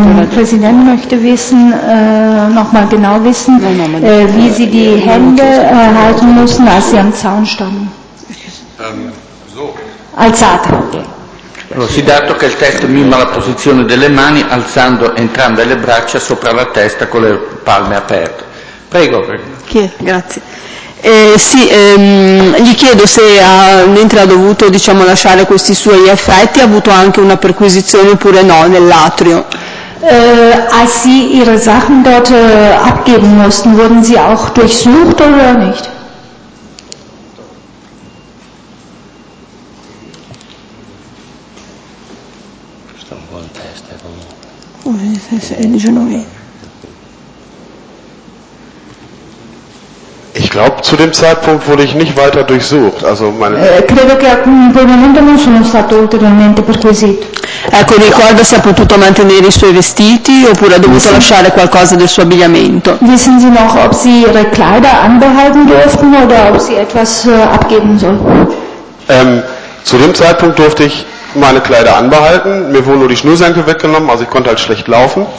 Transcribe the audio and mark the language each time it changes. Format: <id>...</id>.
<de>Presidente, möchte wissen, nochmal genau wissen, wie sie die Hände halten mussten, als sie am Zaun standen.</de> <it>Alzate. Allora, si dato che il testo mima la posizione delle mani alzando entrambe le braccia sopra la testa con le palme aperte. Prego. Grazie. Gli chiedo se mentre ha dovuto lasciare questi suoi effetti ha avuto anche una perquisizione oppure no nell'atrio.</it> <de>Als sie ihre Sachen dort abgeben mussten, wurden sie auch durchsucht oder nicht? Ich glaube, zu dem Zeitpunkt wurde ich nicht weiter durchsucht. Also meine.</de> <it>Credo che a quel momento non sono stato ulteriormente perquisito. Ecco, ricorda se ha potuto mantenere i suoi vestiti oppure ha dovuto lasciare qualcosa del suo abbigliamento.</it> <de>Wissen Sie noch, ob Sie Ihre Kleider anbehalten durften oder ob Sie etwas abgeben sollten? Zu dem Zeitpunkt durfte ich meine Kleider anbehalten, mir wurden nur die Schnürsenkel weggenommen, also ich konnte halt schlecht laufen.</de>